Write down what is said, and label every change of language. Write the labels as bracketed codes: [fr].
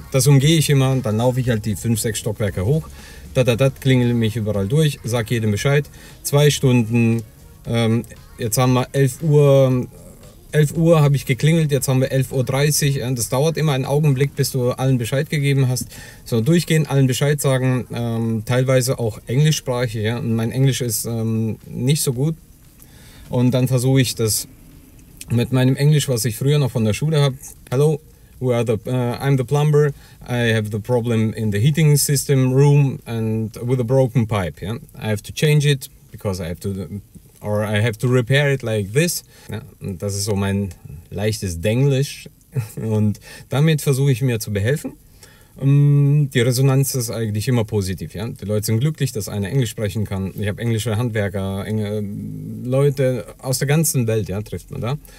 [de] Das umgehe ich immer, dann laufe ich halt die 5-6 Stockwerke hoch, klingel mich überall durch, sag jedem Bescheid, 2 Stunden, jetzt haben wir 11 Uhr, 11 Uhr habe ich geklingelt, jetzt haben wir 11.30 Uhr. Das dauert immer einen Augenblick, bis du allen Bescheid gegeben hast. So durchgehen, allen Bescheid sagen, teilweise auch englischsprachig. Ja? Und mein Englisch ist nicht so gut. Und dann versuche ich das mit meinem Englisch, was ich früher noch von der Schule habe. [en] Hello, we are the, I'm the plumber. I have the problem in the heating system room and with a broken pipe. Yeah? I have to change it because I have to... Or I have to repair it like this. [de] Ja, das ist so mein leichtes Denglisch. Und damit versuche ich mir zu behelfen. Die Resonanz ist eigentlich immer positiv. Ja? Die Leute sind glücklich, dass einer Englisch sprechen kann. Ich habe englische Handwerker, Leute aus der ganzen Welt, ja, trifft man da.